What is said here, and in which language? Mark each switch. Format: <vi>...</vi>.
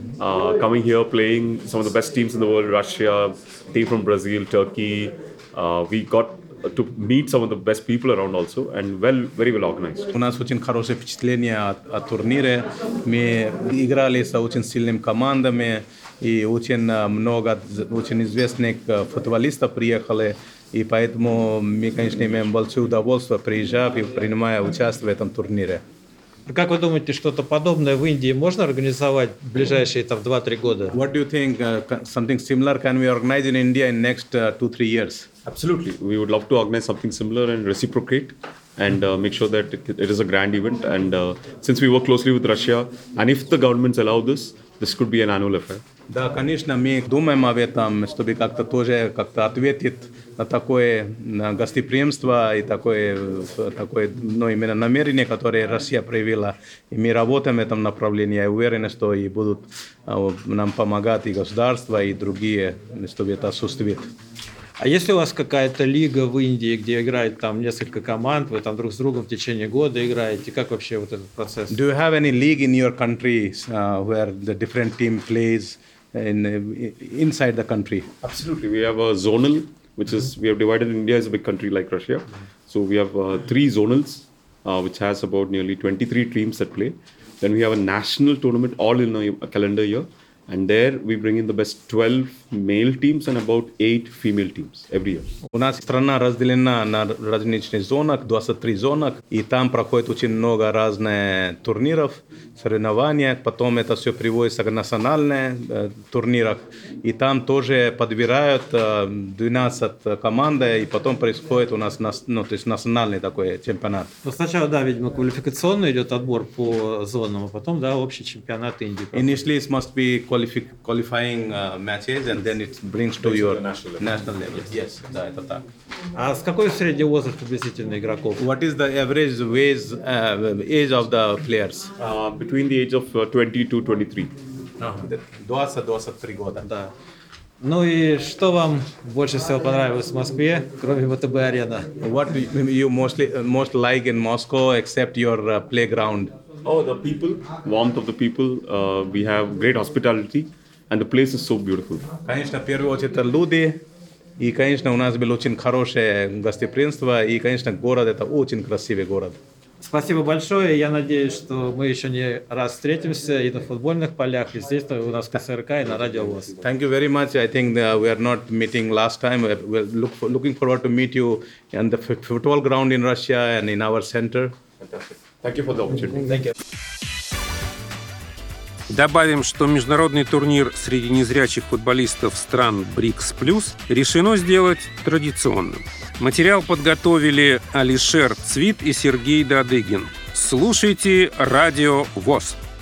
<en>Coming here, playing some of the best teams in the world, Russia, team from Brazil, Turkey. We got to meet some of the best people around also, and well, very well organized.</en> <ru>У нас очень хорошее впечатление о турнире. Мы играли с очень сильными командами. И очень много очень известных футболистов приехали. И поэтому мы, конечно, имеем большое удовольствие, приезжая и принимая участие в этом турнире. Как вы думаете, что-то подобное в Индии можно организовать в ближайшие там, 2-3 года?</ru> <en>What do you think? Something similar can we organize in India in next 2-3 years? Absolutely. We would love to organize something similar and reciprocate. And make sure that it is a grand event. And since we work closely with Russia, and if the governments allow this, this could be an annual affair.</en> <ru>Да, конечно, мы думаем об этом, чтобы как-то тоже как-то ответить на такое на гостеприимство и такое ну, именно намерение, которое Россия проявила. И мы работаем в этом направлении. Я уверен, что и будут нам помогать и государства, и другие, чтобы это осуществить. А есть ли у вас какая-то лига в Индии, где играет там несколько команд, вы там друг с другом в течение года играете? Как вообще вот этот процесс?</ru> <en>Do you have any league in your country where the different team plays inside the country? Absolutely. We have a zonal, which is, we have divided India as a big country like Russia. So we have three zonals, which has about nearly 23 teams that play. Then we have a national tournament all in a calendar year. And there we bring in the best 12 male teams and about 8 female teams every year.</en> <ru>У нас страна разделена на различные зоны, 23 зонок, и там проходит очень много разных турниров, соревнований. Потом это все приводится к национальным турнирам, и там тоже подбирают 12 команд, и потом происходит у нас ну, то есть национальный такой чемпионат. Но сначала, да, видимо, квалификационный идет отбор по зонам, а потом, да, общий чемпионат Индии.</ru> <en>Initially it must be qualifying matches and then it brings to your national level. Yes,</en> <ru>да, это так. А с какой средний возраст приблизительно игроков?</ru> <en>What is the average age of the players? Between the age of 20 to 23.</en> <ru>20-23 года. Да. Ну и что вам больше всего понравилось в Москве, кроме ВТБ-арена?</ru> <en>What you most like in Moscow except your playground? Oh, the people, warmth of the people. We have great hospitality And the place is so beautiful.</en> <ru>Конечно, в первую очередь это люди. И, конечно, у нас было очень хорошее гостеприимство. И, конечно, город – это очень красивый город. Спасибо большое. Я надеюсь, что мы еще не раз встретимся и на футбольных полях, и здесь у нас КСРК, и на радио ВОС.</ru> <en>Thank you very much. I think we are not meeting last time. We are looking forward to meet you on the football ground in Russia and in our center. Thank you for the opportunity. Thank you.</en> <ru>Добавим, что международный турнир среди незрячих футболистов стран БРИКС+ решено сделать традиционным. Материал подготовили Алишер Цвит и Сергей Дадыгин. Слушайте радио ВОС.</ru>